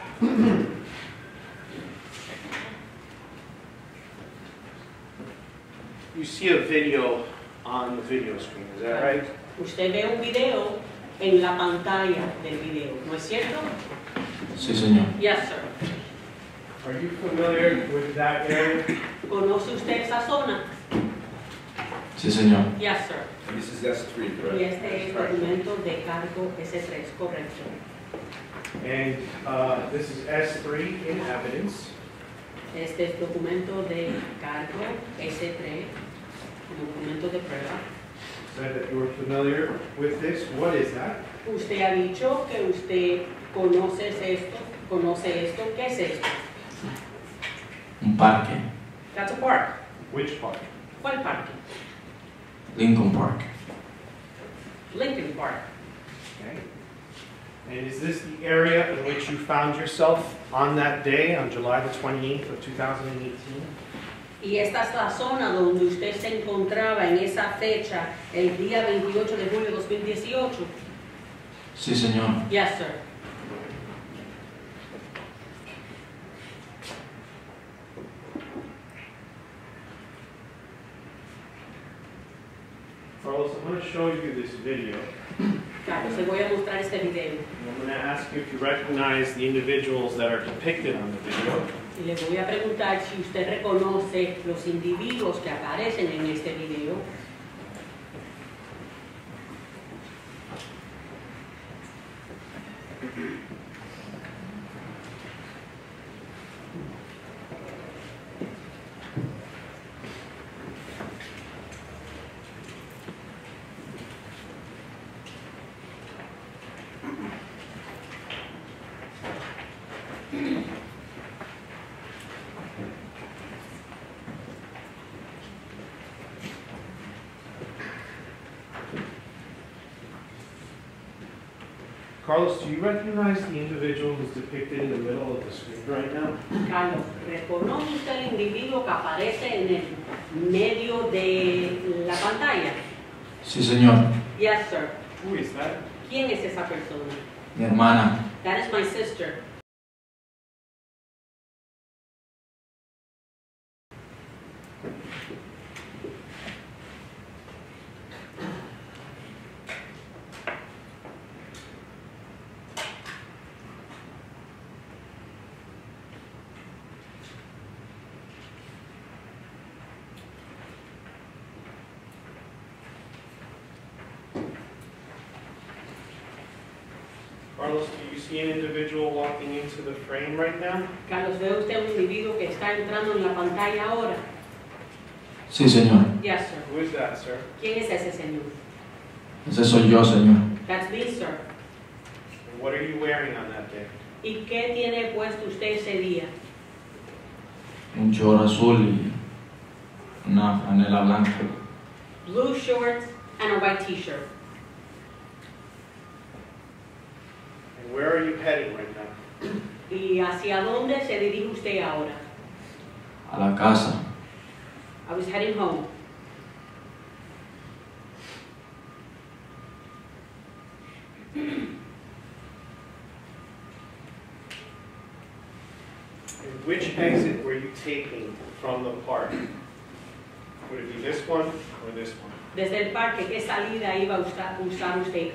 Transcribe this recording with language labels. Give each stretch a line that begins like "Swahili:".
English: You see a video on the video screen, is that right?
Spanish: Usted ve un video en la pantalla del video, ¿no es cierto? Sí, señor.
English: Yes, sir. Are you familiar with that area?
Spanish: ¿Conoce usted esa zona? Sí, señor.
English: Yes, sir. And this is S3, correct?
Spanish: Y este es el documento de cargo S3, correcto.
English: And this is S3 in evidence.
Spanish: Este es documento de cargo S3, documento de prueba.
English: Said that you were familiar with this. What is that?
Spanish: Usted ha dicho que usted conoce esto, ¿qué es esto? Un parque.
English: That's a park. Which park?
Spanish: ¿Cuál parque? Lincoln Park.
English: Lincoln Park. Okay. And is this the area in which you found yourself on that day, on July the 28th of 2018?
Spanish: Y esta es la zona donde usted se encontraba en esa fecha, el día 28 de julio de 2018. Sí, señor.
English: Yes, sir. Carlos, I'm going to show you this video.
Spanish: Carlos, le voy a mostrar este video.
English: I'm going to ask you if you recognize the individuals that are depicted on the video.
Spanish: Y le voy a preguntar si usted reconoce los individuos que aparecen en este video.
English: Carlos, do you recognize the individual who's depicted in the middle of the screen right now?
Spanish: Carlos, ¿reconoce usted el individuo que aparece en el medio de la pantalla? Sí, señor.
English: Yes, sir. Who is that?
Spanish: ¿Quién es esa persona? Mi hermana.
English: That is my sister. Carlos, do you see an individual walking into the frame right now?
Spanish: Carlos, ¿ve usted un individuo que está entrando en la pantalla ahora? Sí, señor.
English: Yes, sir. Who is that, sir?
Spanish: ¿Quién es ese señor? Ese soy yo, señor.
English: That's me, sir. And what are you wearing on that day?
Spanish: ¿Y qué tiene puesto usted ese día? Un short azul y una franela blanca.
English: Blue shorts and a white t-shirt. Where are you heading right now?
Spanish: ¿Y hacia dónde se dirige usted ahora? A la casa.
English: I was heading home. And which exit were you taking from the park? Would it be this one or this one?
Spanish: Desde el parque, ¿qué salida iba a usar usted?